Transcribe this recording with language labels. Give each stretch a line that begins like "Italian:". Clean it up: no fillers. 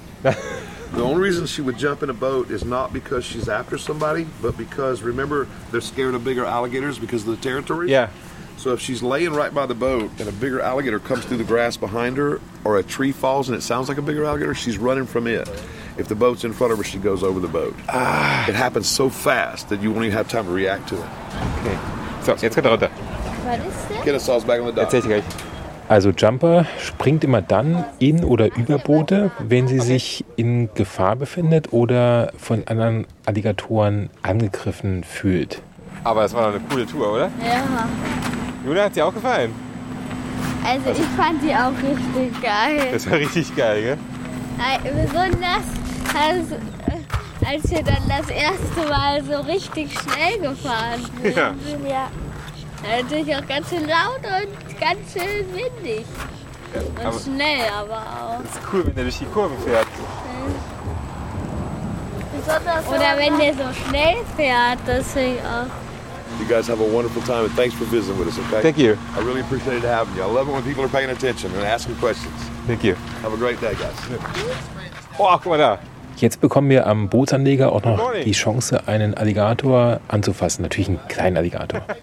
English: The only reason she would jump in a boat is not because she's after somebody, but because, remember, they're scared of bigger alligators because of the territory? Yeah. So if she's laying right by the boat and a bigger alligator comes through the grass behind her or a tree falls and it sounds like a bigger alligator, she's running from it. If the boat's in front of her, she goes over the boat. Ah. It happens so fast that you won't even have time to react to it.
German: Okay. So, jetzt geht runter.
English: What is that? Get us all back on the dock.
German: Erzähl ich gleich. Also Jumper springt immer dann in oder über Boote, wenn sie sich in Gefahr befindet oder von anderen Alligatoren angegriffen fühlt. Aber es war doch eine coole Tour, oder? Ja. Juna, hat sie auch gefallen? Also ich fand die auch richtig geil. Das war richtig geil, gell? Besonders als wir dann das erste Mal so richtig schnell gefahren sind. Ja. Natürlich auch ganz schön laut und ganz schön windig. Ja, und schnell aber auch. Das ist cool, wenn der durch die Kurven fährt. Besonders oder wenn der so schnell fährt, das finde ich auch.
English: You guys have a wonderful time and thanks for visiting with us, okay? Thank you. I really appreciate it having you. I love it when people are paying attention and asking questions. Thank you. Have a great day, guys.
German: Oh, guck mal da. Jetzt bekommen wir am Bootsanleger auch noch die Chance, einen Alligator anzufassen. Natürlich einen kleinen Alligator.